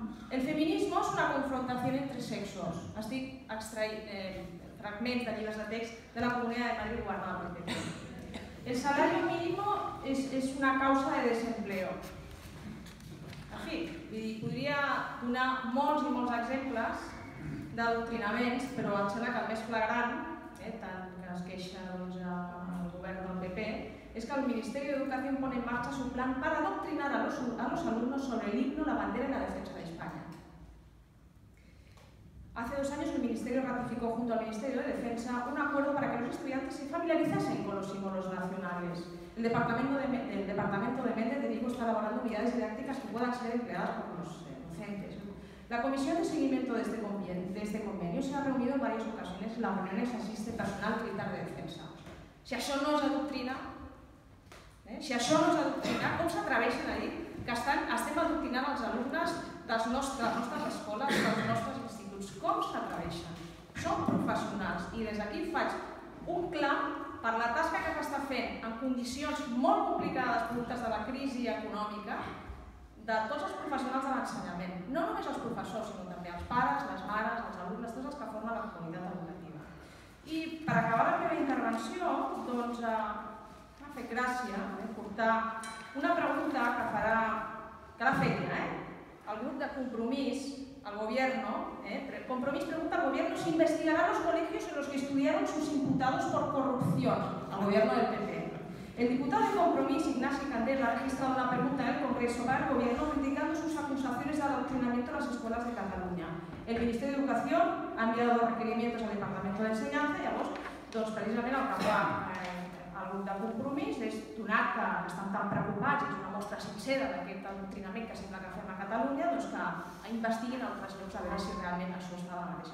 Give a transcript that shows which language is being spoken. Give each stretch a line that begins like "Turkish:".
Spanish: El feminismo es una confrontación entre sexos.
Catalan: Estic extraït fragments de llibres de text de la Comunitat de Madrid guardada per aquest tema.
Spanish: El salario mínimo es una causa de desempleo.
Catalan: En fi, podria donar molts i molts exemples d'adoctrinaments, però em sembla que el més flagrant, tant que es queixa el govern del PP, és que el Ministeri d'Educació
Spanish: pone en marxa su plan per adoctrinar a los alumnos sobre el himno, la bandera y la defensa de España. Hace dos años el Ministerio ratificó junto al Ministerio de Defensa un acuerdo para que los estudiantes se familiarizasen con los símbolos nacionales. El departamento de Méndez de Vigo está elaborando unidades didácticas que puedan ser empleadas por los docentes. La comisión de seguimiento de este convenio se ha reunido en varias ocasiones y la reunión asiste personal militar de defensa.
Catalan: Si això no és adoctrina, si això no és adoctrina, com s'atreveixen a dir que estem adoctrinant els alumnes de les nostres escoles, de les nostres institucions? Com s'atreveixen? Som professionals i des d'aquí faig un clam per la tasca que s'està fent en condicions molt complicades productes de la crisi econòmica de tots els professionals de l'ensenyament. No només els professors, sinó també els pares, les mares, els alumnes, tots els que formen la comunitat educativa. I per acabar la meva intervenció, doncs m'ha fet gràcia portar una pregunta que farà, que l'ha fet ja, el grup de Compromís, al gobierno,
Spanish: Compromís pregunta al gobierno si investigará los colegios en los que estudiaron sus imputados por corrupción al gobierno del PP. El diputado de Compromís, Ignasi Candel, ha registrado una pregunta en el Congreso para el gobierno criticando sus acusaciones de adoctrinamiento en las escuelas de Cataluña. El Ministerio de Educación ha enviado requerimientos al Departamento de Enseñanza y a vos,
Catalan: doncs, precisament al cap de Compromís, és donat que estan tan preocupats, és una mostra sincera d'aquest adoctrinament que sembla que fem a Catalunya, doncs que investiguin altres llocs a veure si realment això estava